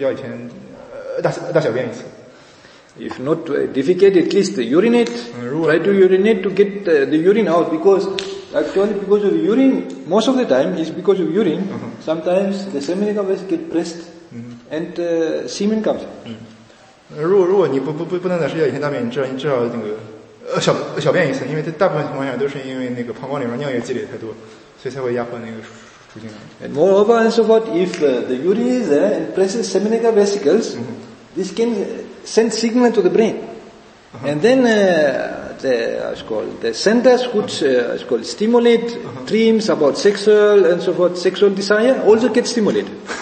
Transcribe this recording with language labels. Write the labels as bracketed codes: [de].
[en] Urinate. [zh] 所以说，大家如果有这类现象出现的话，就一个好习惯，就是在那个睡觉以前大小便一次。 [en] If not defecate, at least urinate. Try to urinate to get the urine out, because actually because of urine, most of the time it's because of urine. Sometimes the seminal vesicles get pressed. And semen comes. [zh] 如果你不能在睡觉以前大便，你至少小便一次，因为大部分情况下都是因为那个膀胱里面尿液积累太多，所以才会压迫那个出精囊。 [en] And moreover and so forth, if the urine is there and presses seminal vesicles, this can send signal to the brain, and then the centers which is called stimulate dreams about sexual and so forth, sexual desire also get stimulated.